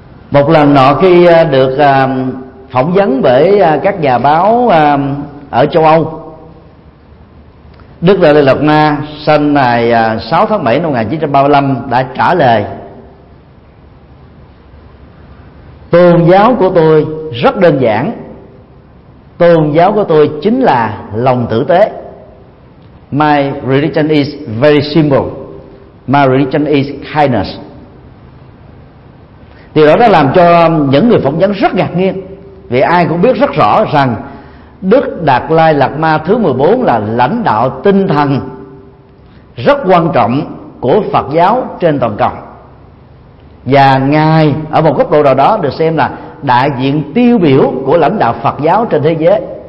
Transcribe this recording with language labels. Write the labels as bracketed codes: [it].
[vi] Một lần nọ khi được phỏng vấn bởi các nhà báo ở châu Âu, Đức Dalai Lama sinh ngày 6 tháng 7 năm 1935 đã trả lời: tôn giáo của tôi rất đơn giản, tôn giáo của tôi chính là lòng tử tế. [en] My religion is very simple. My religion is kindness. [vi] Điều đó đã làm cho những người phỏng vấn rất ngạc nhiên, vì ai cũng biết rất rõ rằng Đức Đạt Lai Lạt Ma thứ 14 là lãnh đạo tinh thần rất quan trọng của Phật giáo trên toàn cầu, và Ngài ở một góc độ nào đó được xem là đại diện tiêu biểu của lãnh đạo Phật giáo trên thế giới.